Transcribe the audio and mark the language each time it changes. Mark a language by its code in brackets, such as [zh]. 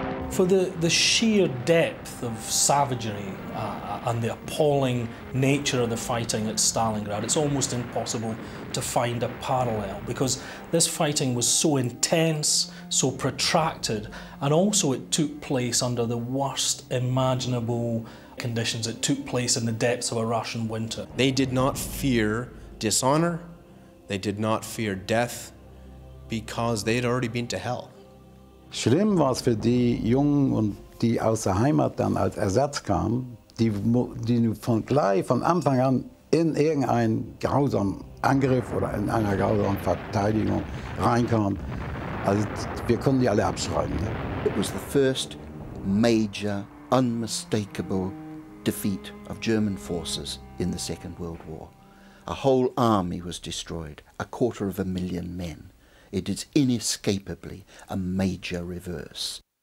[en] For the sheer depth of savagery and the appalling nature of the fighting at Stalingrad, it's almost impossible to find a parallel, because this fighting was so intense, so protracted, and also it took place under the worst imaginable conditions. It took place in the depths of a Russian winter. They did not fear dishonor. They did not fear death, because they had already been to hell. [de] Schlimm war es für die Jungen und die aus der Heimat dann als Ersatz kamen, die von gleich von Anfang an in irgendeinen grausamen Angriff oder in einer grausamen Verteidigung reinkamen. Also wir konnten die alle abschreiben. Ne? [en] It was the first major, unmistakable defeat of German forces in the Second World War. A whole army was destroyed, a quarter of a million men. It is inescapably a major reverse.